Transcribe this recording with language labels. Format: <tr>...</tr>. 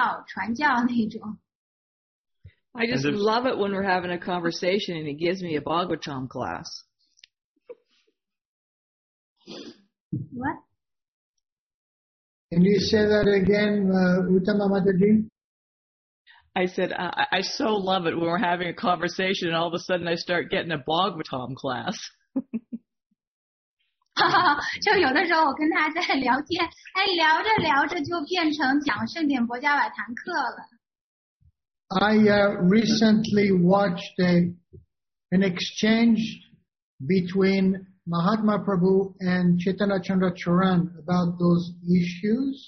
<zh>然后呢，就是我们只有之间沟通一个经常常犯的一个毛病，就是说好像互相在那儿布道传教那种。</zh> <en>I just love it when we're having a conversation and it gives me a Bhagavatam class. What? Can you say that again, Uttama Mataji? I said, I so love it when we're having a conversation and all of a sudden I start getting a Bhagavatam class.</en> <zh>就有的时候我跟他在聊天，哎，聊着聊着就变成讲圣典伯加瓦坦课了。</zh> <en>I recently watched an exchange between Mahatma Prabhu and Chaitanya Chandracharan about those issues.</en>